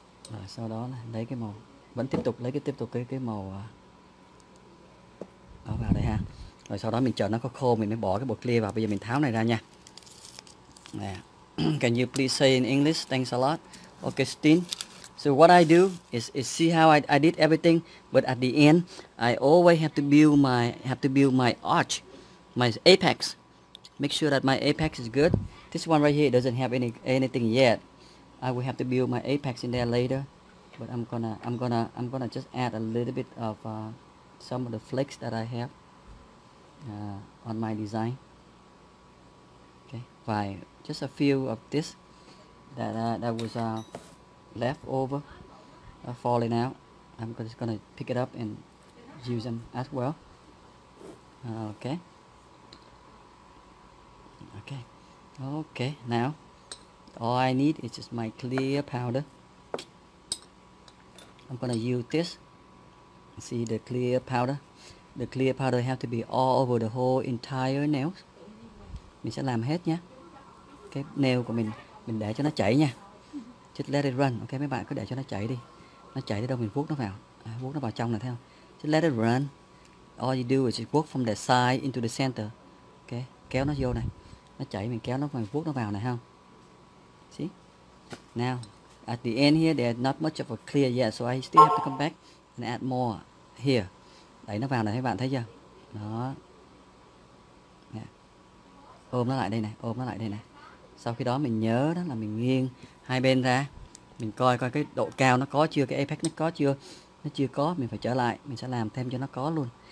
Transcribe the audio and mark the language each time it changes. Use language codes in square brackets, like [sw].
[vi] Rồi sau đó này, lấy cái màu, vẫn tiếp tục lấy cái màu đó vào đây ha. Rồi sau đó mình chờ nó có khô mình mới bỏ cái bột clear vào. Bây giờ mình tháo này ra nha. [en] Nè. Can you please say in English? Thanks a lot. Okay, Steen. So what I do is see how I did everything, but at the end I always have to build my arch, my apex. Make sure that my apex is good. This one right here doesn't have anything yet. I will have to build my apex in there later, but I'm gonna just add a little bit of some of the flakes that I have on my design. Okay, by just a few of this that was left over, falling out. I'm just gonna pick it up and use them as well. Okay. Now. All I need is just my clear powder. I'm gonna use this. See the clear powder. The clear powder have to be all over the whole entire nails. [vi] Mình sẽ làm hết nhé. Cái nail của mình để cho nó chảy nha. [en] Just let it run. [vi] Ok, mấy bạn cứ để cho nó chảy đi. Nó chảy tới đâu mình vuốt nó vào. À, vuốt nó vào trong này thấy không? [en] Just let it run. All you do is just work from the side into the center. [vi] Ok, kéo nó vô này. Nó chảy mình kéo nó vào, mình vuốt nó vào này không? [en] See? Now, at the end here, there's not much of a clear yet, so I still have to come back and add more here. [vi] Đấy, nó vào này, các bạn thấy chưa? Đó. Yeah. Ôm nó lại đây này, ôm nó lại đây này. Sau khi đó mình nhớ đó là mình nghiêng hai bên ra. Mình coi coi cái độ cao nó có chưa, cái apex nó có chưa. Nó chưa có, mình phải trở lại, mình sẽ làm thêm cho nó có luôn.